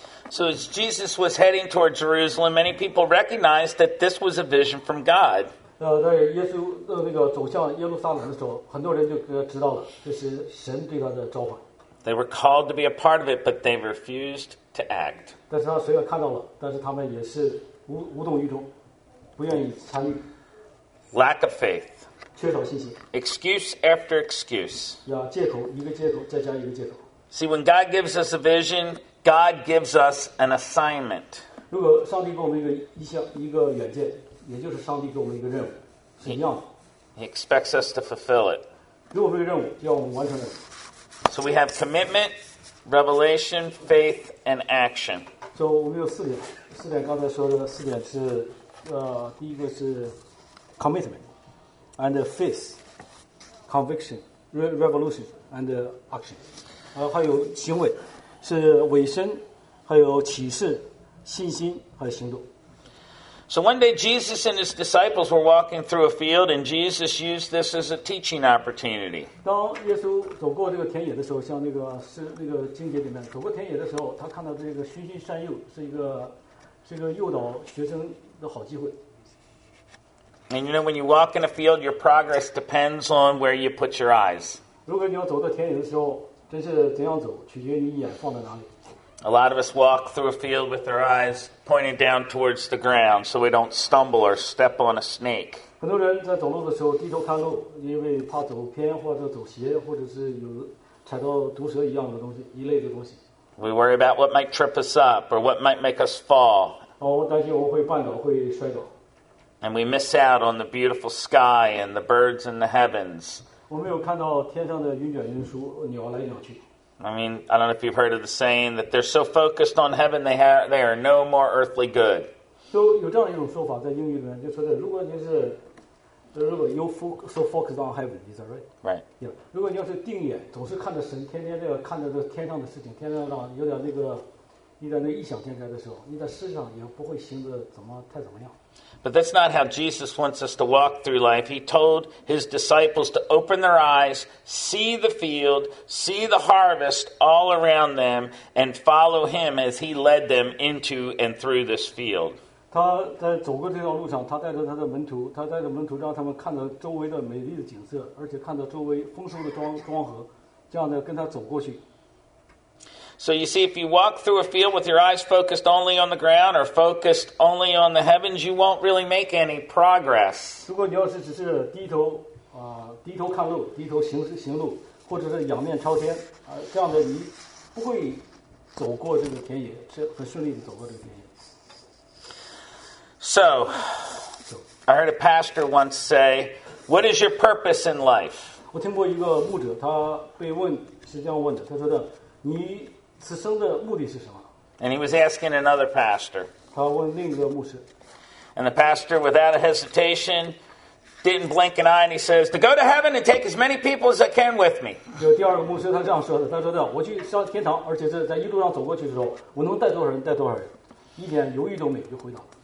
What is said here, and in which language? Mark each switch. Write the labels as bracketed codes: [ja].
[en] So as Jesus was heading toward Jerusalem, many people recognized that this was a vision from God. [zh] 在耶稣那个走向耶路撒冷的时候，很多人就知道了，这是神对他的召唤。 [en] They were called to be a part of it, but they refused to act. [zh] 但是他虽然看到了，但是他们也是无动于衷，不愿意参与。 [en] Lack of faith. [zh] 缺少信心。 [en] Excuse after excuse. [zh] 借口一个借口再加一个借口。 [en] See, when God gives us a vision. God gives us an assignment. [zh] 如果上帝给我们一个远见，也就是上帝给我们一个任务，是一样的。 [en] He expects us to fulfill it. [zh] 如果这个任务要我们完成任务。 [en] So we have commitment, revelation, faith, and action. [zh] So 我们有四点，四点刚才说的四点是，第一个是 [en] commitment, and faith, conviction, revolution, and action. [zh] 还有行为。是尾声还有启示、信心和行动。 [en] So one day Jesus and his disciples were walking through a field, and Jesus used this as a teaching opportunity. [zh] 当耶稣走过这个田野的时候，像那个经节里面走过田野的时候，他看到这个循循善诱是一个诱导学生的好机会。 [en] And you know, when you walk in a field, your progress depends on where you put your eyes. [zh] 如果你要走到田野的时候，真是怎样走，取决于你眼放在哪里。 [en] A lot of us walk through a field with our eyes pointing down towards the ground so we don't stumble or step on a snake. [zh] 很多人在走路的时候低头看路，因为怕走偏或者走斜，或者是有踩到毒蛇一类的东西。 [en] We worry about what might trip us up or what might make us fall. [zh] 我担心我会绊倒，会摔倒。 [en] And we miss out on the beautiful sky and the birds in the heavens. [zh] 我没有看到天上的云卷云舒，鸟来鸟去。 [en] I mean, I don't know if you've heard of the saying that they're so focused on heaven, they are no more earthly good. [zh] So, 有这样一种说法在英语里面，就说的，如果你是，如果 [en] you're so focused on heaven, is that right? Right. Yeah. [zh] 如果你要是定眼，总是看着神，天天这个看着这天上的事情，天上的有点那个，有点那异想天开的时候，你在世上也不会行得怎么样。 [en] But that's not how Jesus wants us to walk through life. He told his disciples to open their eyes, see the field, see the harvest all around them, and follow him as he led them into and through this field. [zh] 他在走过这条路上，他带着他的门徒，他带着门徒让他们看到周围的美丽的景色，而且看到周围丰收的庄稼，这样的跟他走过去。 [en] So you see, if you walk through a field with your eyes focused only on the ground or focused only on the heavens, you won't really make any progress. [zh] 如果你要是只是低头看路，低头行路，或者是仰面朝天，这样的你不会走过这个田野，是很顺利的走过这个田野。 [en] So, I heard a pastor once say, "What is your purpose in life?" [zh] 我听过一个牧者，他被问是这样问的，他说的，你此生的目的是什么? [en] And he was asking another pastor. [zh] 他问另一个牧师。 [en] And the pastor, without a hesitation, didn't blink an eye, and he says, to go to heaven and take as many people as I can with me. [zh] 就第二个牧师他这样说的，他说的，我去上天堂，而且是在一路上走过去的时候，我能带多少人带多少人，一点犹豫都没有就回答。